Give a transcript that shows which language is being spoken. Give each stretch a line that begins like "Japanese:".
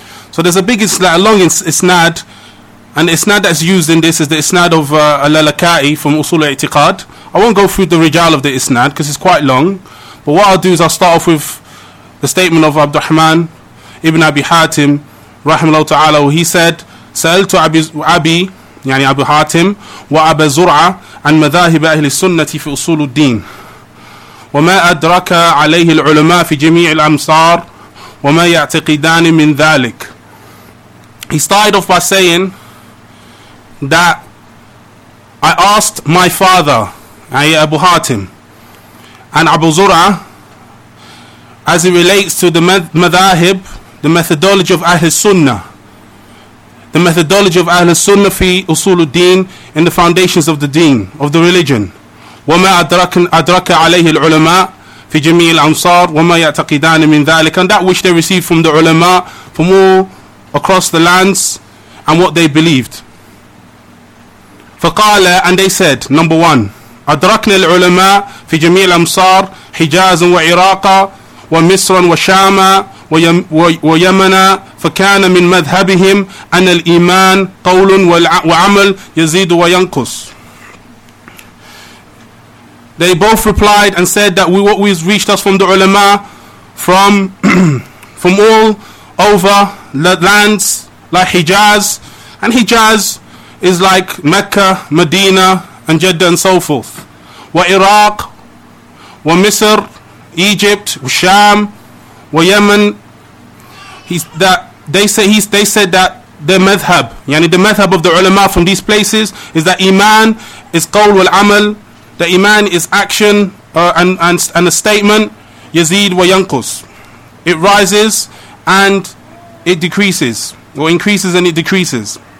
English: So there's a big long isnad, and the isnad that's used in this is the isnad of Lalakai from Usul al-Itiqad. I won't go through the rijal of the isnad because it's quite long, but what I'll do is I'll start off with the statement of Abdurrahman Ibn Abi Hatim rahimahullah ta'ala. He said,
Arabic: سألتُ Abi, يعني أبو حاتم وأبا زرعة عن مذاهب أهل السنة في أصول الدين وما أدرك عليه العلماء في جميع الأمصار وما يعتقدان من ذلك.
English: He started off by saying that I asked my father,
Arabic: يعني أبو حاتم,
English: and أبو زرعة, as it relates to the مذاهب, the methodology of أهل السنة, the methodology of Ahl al-Sunnah fi Usul al-Din, in the foundations of the Deen, of the religion.
Arabic: وَمَا أَدْرَكَ عَلَيْهِ الْعُلَمَاءِ فِي جَمِيعِ الْأَمْصَارِ وَمَا يَعْتَقِدَانِ مِنْ ذَلِكَ,
English: and that which they received from the ulama, from all across the lands, and what they believed.
Arabic: فَقَالَ,
English: and they said, number one,
Arabic: أَدْرَكْنَا الْعُلَمَاءِ فِي جَمِيعِ الْأَمْصَارِ حِجَازًا وَعِرَاقًا وَمِصْرًا وَشَامًا ويمنا فكان من مذهبهم أن الإيمان قول وعمل يزيد وينقص.
English: They both replied and said that what we've reached us from the ulama, from all over lands like Hijaz, and Hijaz is like Mecca, Medina, and Jeddah, and so forth.
Arabic: وإراق ومصر, Egypt, وشام ويمن.
English: They said that the madhab, yani the madhab of the ulama from these places, is that iman is qawl wal amal, that iman is action and a statement, yazid wa yanqus, it rises and it decreases, or increases and it decreases.